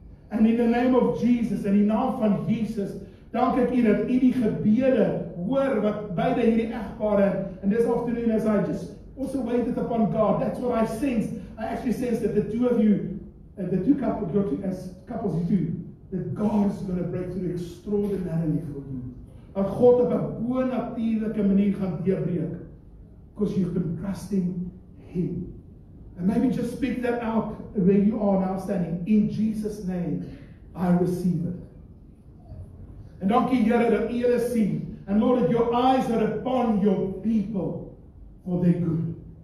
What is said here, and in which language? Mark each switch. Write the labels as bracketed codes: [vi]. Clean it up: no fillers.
[en] And in the name of Jesus, [af] and in the name of Jesus, dank ek u dat u die gebede hoor wat beide hierdie egpaar het. [en] And this afternoon, as I just also waited upon God, that's what I sense. I actually sense that the two of you, the two couples, you're two, as couples you do, that God is going to break through extraordinarily for you. [af] Dat God op 'n bonatuurlike manier gaan deurbreek. [en] Because you've been trusting Him. And maybe just speak that out where you are now standing. In Jesus' name, I receive it. And [af] dankie Here dat U hulle sien. [en] And Lord, that your eyes are upon your people for their good.